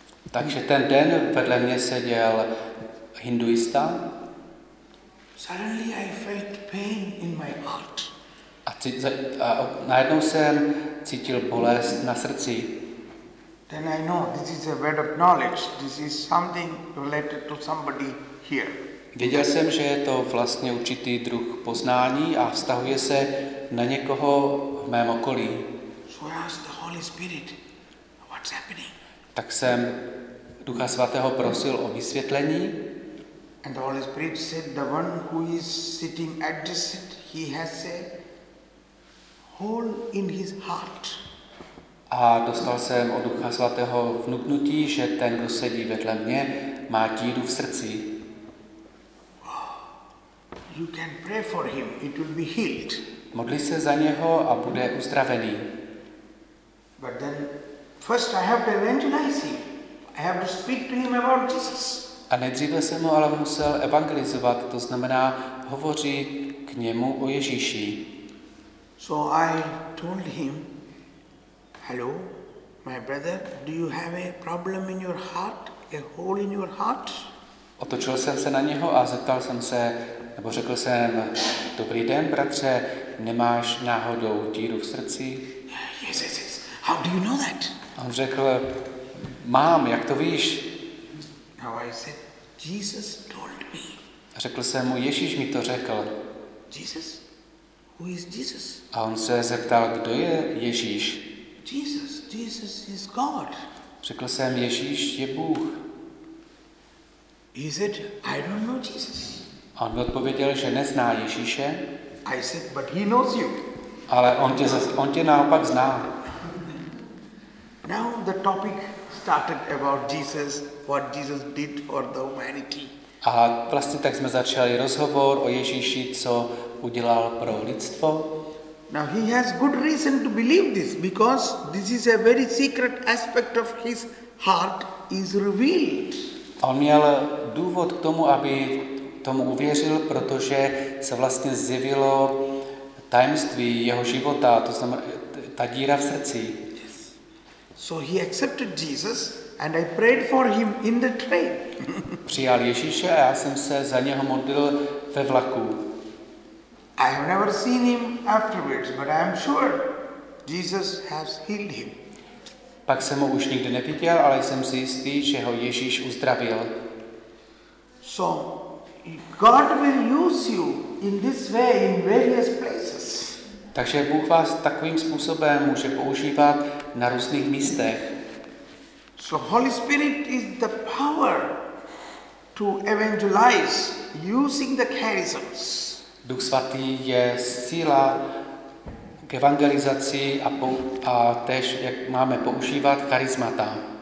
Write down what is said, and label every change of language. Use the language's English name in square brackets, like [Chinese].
[Czech] Takže ten den vedle mě seděl hinduista. [English] Suddenly I felt pain in my heart. [Czech] A najednou jsem cítil bolest na srdci. [English] Then I know this is a word of knowledge. This is something related to somebody here. [Czech] Věděl jsem, že je to vlastně určitý druh poznání a vztahuje se na někoho v mém okolí. [English] So I asked the Holy Spirit, what's happening? [Czech] Tak jsem Ducha Svatého prosil o vysvětlení. [English] And the Holy Spirit said, the one who is sitting adjacent, he has a hole in his heart. [Czech] A dostal jsem od Ducha Svatého vnuknutí, že ten, kdo sedí vedle mě, má díru v srdci. [English] You can pray for him, it will be healed. [Czech] Modli se za něho a bude uzdravený. [English] But then, first I have to evangelize him. I have to speak to him about Jesus. [Czech] A nejdříve jsem ho ale musel evangelizovat, to znamená hovořit k němu o Ježíši. [English] So I told him, hello, my brother, do you have a problem in your heart, a hole in your heart? [Czech] Otočil jsem se na něho a zeptal jsem se, nebo řekl jsem, dobrý den, bratře, nemáš náhodou díru v srdci? [English] Yes, yes, yes. How do you know that? [Czech] On řekl, mám, jak to víš? [English] Now I said, Jesus told me. [Czech] A řekl jsem mu, Ježíš mi to řekl. [English] Jesus? Who is Jesus? [Czech] A on se zeptal, kdo je Ježíš? [English] Jesus, Jesus is God. [Czech] Řekl jsem, Ježíš je Bůh. [English] He said, I don't know Jesus. [Czech] A on mi odpověděl, že nezná Ježíše. [English] I said, but he knows you. [Czech] Ale on tě naopak zná. [English] Now the topic started about Jesus, what Jesus did for the humanity. [Czech] A vlastně tak jsme začali rozhovor o Ježíši, co udělal pro lidstvo. [English] Now he has good reason to believe this, because this is a very secret aspect of his heart is revealed. [Czech] On měl důvod k tomu, aby tomu uvěřil, protože se vlastně zjevilo tajemství jeho života, to znamená ta díra v srdci. [English] Yes. So he accepted Jesus and I prayed for him in the train. [Czech] Přijal Ježíše a já jsem se za něho modlil ve vlaku. [English] I have never seen him afterwards, but I am sure Jesus has healed him. [Czech] Pak jsem ho už nikdy neviděl, ale jsem si jistý, že ho Ježíš uzdravil. [English] So God will use you in this way in various places. [Czech] Takže Bůh vás takovým způsobem může používat na různých místech. [English] So Holy Spirit is the power to evangelize using the charisms. [Czech] Duch svatý je síla k evangelizaci a též jak máme používat charismata.